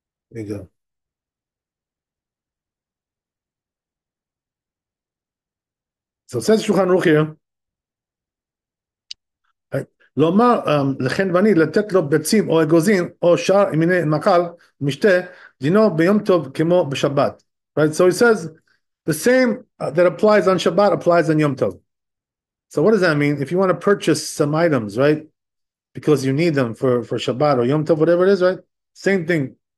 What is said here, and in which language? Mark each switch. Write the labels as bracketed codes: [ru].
[en] There you go. So says Shulchan Aruch here. [he] לומר לכן ואני לתת לו ביצים או אגוזים או שאר מיני מאכל משתה דינו ביום טוב כמו בשבת. [en] Right? So he says the same that applies on Shabbat applies on Yom Tov. So what does that mean? If you want to purchase some items, right? Because you need them for Shabbat or Yom Tov, whatever it is, right? Same thing.